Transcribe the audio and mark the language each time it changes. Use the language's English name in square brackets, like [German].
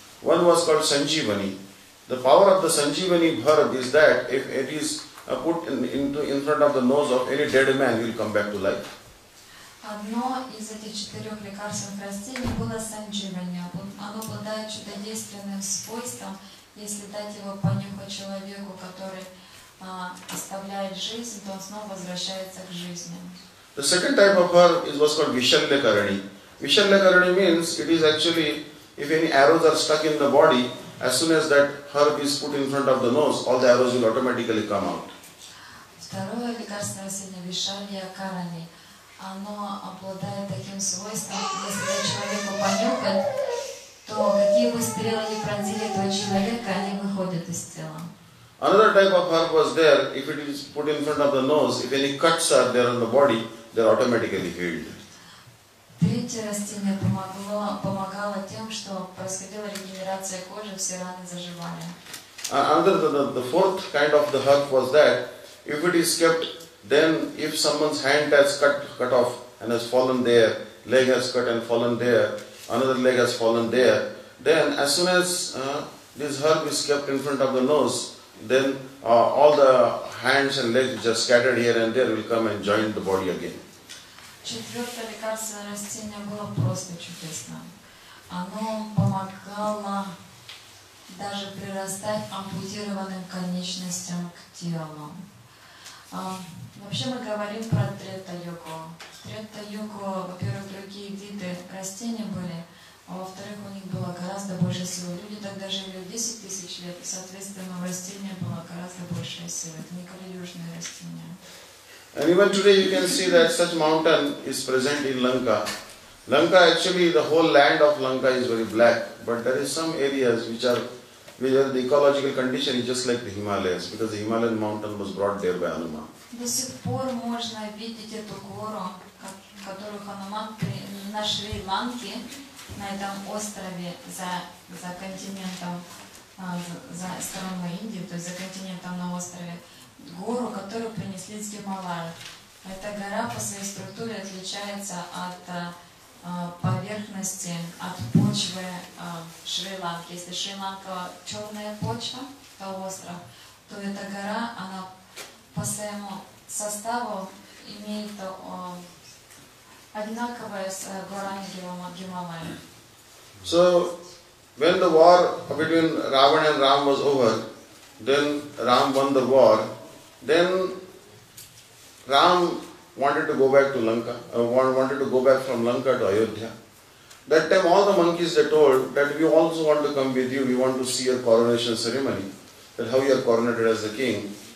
[English] One was called Sanjeevani. The power of the Sanjeevani Bharat is that if it is put in front of the nose of any dead man, he will come back to life. [Russian] Одно из этих четырех лекарственных растений было Sanjeevani. Оно обладает чудодейственным свойством, если дать его понюхать человеку, который оставляет жизнь, то он снова возвращается к жизни. [English] The second type of herb was called Vishalyakarani. Vishalyakarani means it is actually if any arrows are stuck in the body, as soon as that herb is put in front of the nose, all the arrows will automatically come out. [Russian] Второе лекарственное растение Vishalyakarani. Оно обладает таким свойством, если человеку понюхать, то какие бы стрелы ни пронзили этого человека, они выходят из тела. [English] Another type of herb was there, if it is put in front of the nose, if any cuts are there on the body, they are automatically healed. [Russian] Третье растение помогало тем, что происходила регенерация кожи, все раны заживали. [English] The fourth kind of the herb was that, if it is kept, then if someone's hand has cut off and has fallen there, leg has cut and fallen there, another leg has fallen there, then as soon as this herb is kept in front of the nose, then all the hands and legs just scattered here and there will come and join the body again. [Russian] Четвертое лекарственное растение было просто чудесно. Оно помогало даже прирастать ампутированным конечностям к телу. Вообще мы говорим про трета-йогу. Трета-йогу, во-первых, другие виды растений были, а во-вторых, у них было гораздо больше силы. Люди тогда жили 10 тысяч лет, и, соответственно, у растения было гораздо больше силы. Это не калиюжные растения. [English] And even today you can see that such mountain is present in Lanka. Lanka, actually, the whole land of Lanka is very black. But there is some areas which are the ecological condition is just like the Himalayas, because the Himalayan mountain was brought there by Hanuman. [Russian] До сих пор можно видеть эту гору, которую Хануман на Шри-Ланке, на этом острове за континентом, за страной Индии, то есть за континентом на острове, гору, которую принесли с Гималая. Эта гора по своей структуре отличается от поверхности, от почвы Шри-Ланки. Если Шри-Ланка черная почва, то остров, то эта гора, она по своему составу имеет одинаковое с горами Гималая. [English] So, when the war between Ravan and Ram was over, then Ram won the war, then Ram wanted to go back to Lanka, wanted to go back from Lanka to Ayodhya. That time all the monkeys, they told that we also want to come with you, we want to see your coronation ceremony, that how you are coronated as the king.